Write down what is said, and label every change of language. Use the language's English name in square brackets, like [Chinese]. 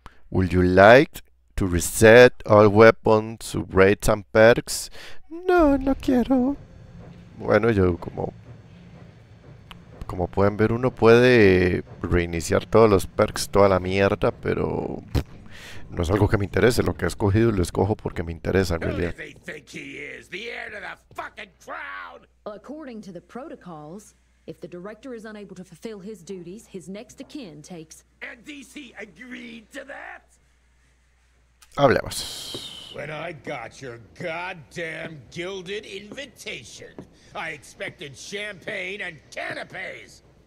[English] Would you like to reset all weapons, upgrades and perks? [Spanish] No, no quiero. Bueno, yo como pueden ver, uno puede reiniciar todos los perks, toda la mierda, pero no es algo que me interese. Lo que he escogido lo escojo porque me interesa en realidad. ¿Quién cree que es? ¿El heir de la [English] fucking crown? According to the protocols, if the director is unable to fulfill his duties, his next of kin takes. And DC agreed to that? [Spanish] Hablemos. [English] When I got your goddamn gilded invitation, I expected champagne and canapes.